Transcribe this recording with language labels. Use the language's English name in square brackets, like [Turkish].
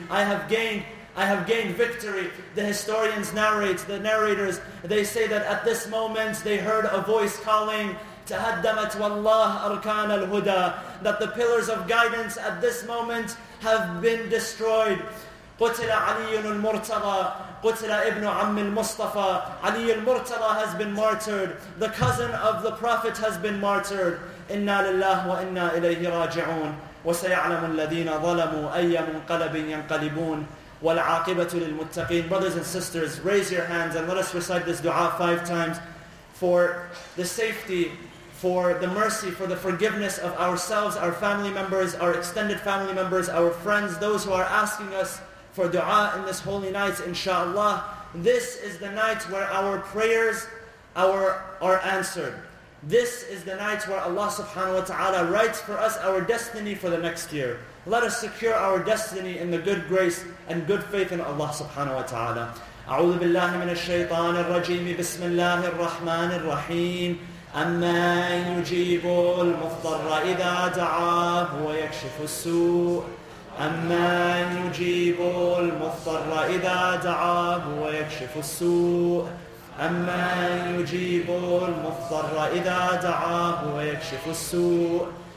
[English] I have gained victory. The historians narrate, the narrators, they say that at this moment they heard a voice calling, [Arabic] تهدمت والله أركان الهدى, [English] that the pillars of guidance at this moment have been destroyed. [Arabic] قتل علي المرتضى, قتل ابن عم المصطفى. [English] علي المرتضى has been martyred. The cousin of the Prophet has been martyred. [Arabic] إنا لله وإنا إليه راجعون. وسيعلم الذين ظلموا أي منقلب ينقلبون. والعاقبة للمتقين. [English] Brothers and sisters, raise your hands and let us recite this dua 5 times. For the safety, for the mercy, for the forgiveness of ourselves, our family members, our extended family members, our friends, those who are asking us for dua in this holy night, inshallah. This is the night where our prayers are answered. This is the night where Allah subhanahu wa ta'ala writes for us our destiny for the next year. Let us secure our destiny in the good grace and good faith in Allah subhanahu wa ta'ala. [Arabic] أعوذ بالله من الشيطان الرجيم بسم الله الرحمن الرحيم أمن يجيب المضطر إذا دعاه ويكشف السوء أمن يجيب المضطر إذا دعاه ويكشف السوء أمن يجيب المضطر إذا دعاه ويكشف السوء